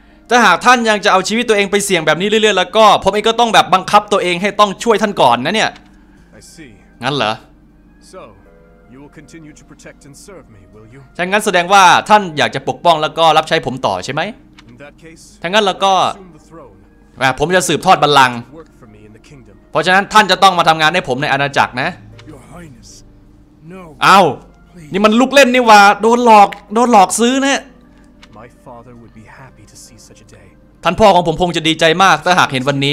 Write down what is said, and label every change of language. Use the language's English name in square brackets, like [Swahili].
[Thai] ถ้าหากท่านยังจะเอาชีวิตตัวเองไปเสี่ยงแบบนี้เรื่อยๆแล้วก็ผมเองก็ต้องแบบบังคับตัวเองให้ต้องช่วยท่านก่อนนะเนี่ย [English] I see. [Thai] งั้นเหรอ [English] So you will continue to protect and serve me, will you? [Thai] ถ้างั้นแสดงว่าท่านอยากจะปกป้องแล้วก็รับใช้ผมต่อใช่ไหม [English] In that case, [Thai] ถ้างั้นแล้วก็ผมจะสืบทอดบัลลังก์kingdom. เพราะฉะนั้นท่านจะต้องมาทำงานให้ผมในอาณาจักรนะ [English] Your Highness. No. [Thai] เอา Please. นี่มันลูกเล่นนี่ว่าโดนหลอกโดนหลอกซื้อนะ [English] My father would be happy to see such a day. [Thai] ท่านพ่อของผมคงจะดีใจมากถ้าหากเห็นวันนี